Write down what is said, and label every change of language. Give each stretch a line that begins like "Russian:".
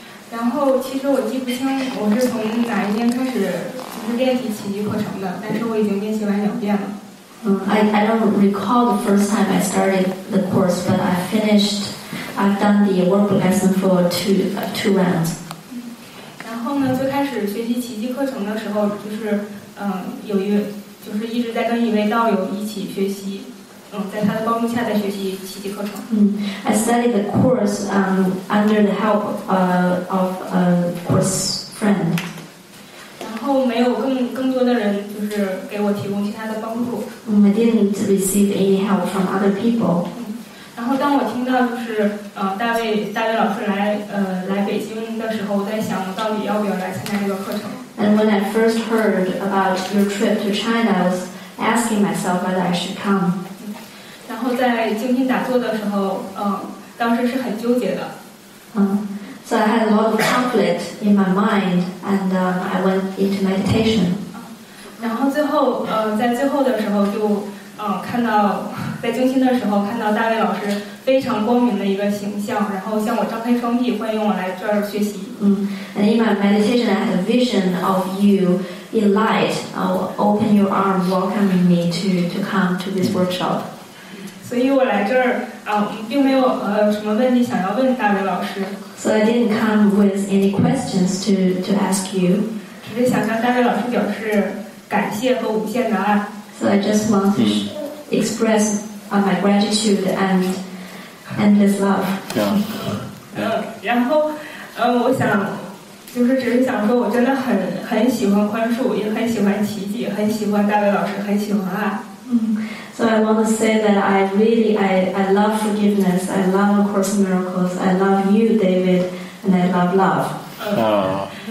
Chinese: 然后其实我记不清我是从哪一年开始练习奇迹课程的，但是我已经练习完两遍了。
English: I don't recall the first time I started the course, but I finished. I've done the work lesson for two rounds.
Chinese: 然后呢，最开始学习奇迹课程的时候，就是有一位，就是一直在跟一位道友一起学习，在他的帮助下在学习奇迹课程。
English: I studied the course under the help of a course friend.
Chinese: 然后没有更多的人就是给我提供其他的帮助。
English: I didn't receive any help from other people.
Chinese: 然后当我听到就是大卫老师来北京的时候，我在想我到底要不要来参加这个课程。
English: And when I first heard about your trip to China, I was asking myself whether I should come.
Chinese: 然后在静心打坐的时候，当时是很纠结的。
English: So I had a lot of conflict in my mind, and I went into meditation.
Chinese: 然后最后，在最后的时候就。看到在静心的时候看到大卫老师非常光明的一个形象，然后向我张开双臂欢迎我来这儿学习。
English: And in my meditation I had a vision of you in light, open your arm welcoming me to come to this workshop.
Chinese: 所以我来这儿并没有什么问题想要问大卫老师。
English: So I didn't come with any questions to ask you.
Chinese: 只是想向大卫老师表示感谢和无限的爱。
English: So I just want to express my gratitude and endless love. Yeah.
Chinese: 然后，我想，就是只是想说，我真的很喜欢宽恕，也很喜欢奇迹，很喜欢大卫老师，很喜欢爱。
English: So I want to say that I love forgiveness, I love A Course in Miracles, I love you, David, and I love love.